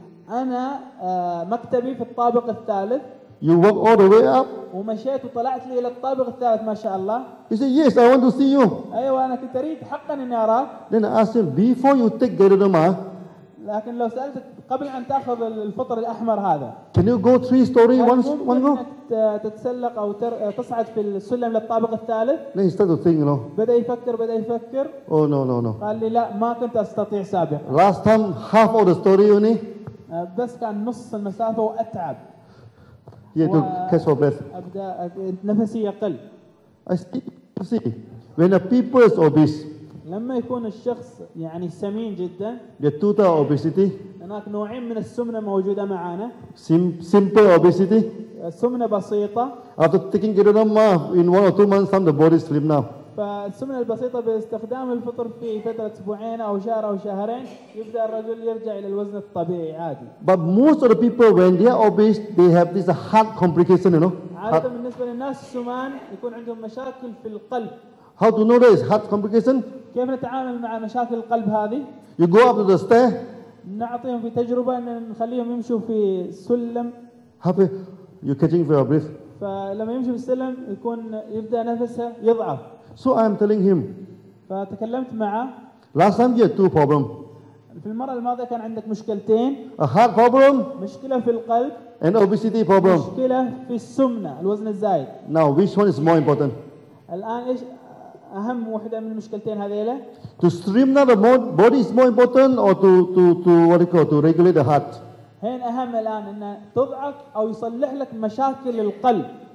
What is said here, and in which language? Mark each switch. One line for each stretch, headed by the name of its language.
Arabic: أنا مكتبي في الطابق الثالث.
English: You walk all the way up.
Arabic: ومشيت وطلعت لي إلى الطابق الثالث ما شاء الله.
English: He said yes, I want to see you.
Arabic: أيوة أنا كنت أريد حقا إني أراك.
English: Then I asked him before you take Geronimo.
Arabic: لكن لو سألتك قبل أن تأخذ الفطر الأحمر هذا.
English: Can you go three story one go?
Arabic: تتسلق أو تصعد في السلم للطابق الثالث.
English: Then he started to think, you know.
Arabic: بدأ يفكر.
English: Oh no.
Arabic: قال لي لا ما كنت أستطيع سابقا.
English: Last time half of the story only.
Arabic: بس كان نص المسافة وأتعب.
English: Yeah, to catch for breath.
Arabic: أبدأ نفسي يقل.
English: I see. When a people is obese.
Arabic: لما يكون الشخص يعني سمين جدا.
English: The total obesity.
Arabic: هناك نوعين من السمنة موجودة معانا.
English: Simple obesity.
Arabic: سمنة بسيطة.
English: After taking Geronimo in 1 or 2 months, some the body slim now.
Arabic: فالسمنة البسيطة باستخدام الفطر في فترة أسبوعين أو شهر أو شهرين يبدأ الرجل يرجع إلى الوزن الطبيعي عادي.
English: But most of the people when they are obese, they have this heart complication, you know.
Arabic: عادة بالنسبة للناس السمان يكون عندهم مشاكل في القلب.
English: How to know this heart complication?
Arabic: كيف نتعامل مع مشاكل القلب هذه؟
English: You go up to the stair.
Arabic: نعطيهم في تجربة أن نخليهم يمشوا في سلم.
English: Happy, you catching for your breath.
Arabic: فلما يمشي في السلم يكون يبدأ نفسه يضعف.
English: So I am telling him.
Arabic: فتكلمت معه.
English: Last time you had 2 problem.
Arabic: في المرة الماضية كان عندك مشكلتين.
English: A heart problem.
Arabic: مشكلة في القلب.
English: And obesity problem.
Arabic: مشكلة في السمنة الوزن الزائد.
English: Now which one is more important?
Arabic: الآن إيش أهم واحدة من المشكلتين هذيلة؟
English: To streamline the body is more important or to what you call to regulate the heart.
Arabic: هين أهم الآن إن تضعف أو يصلح لك مشاكل القلب.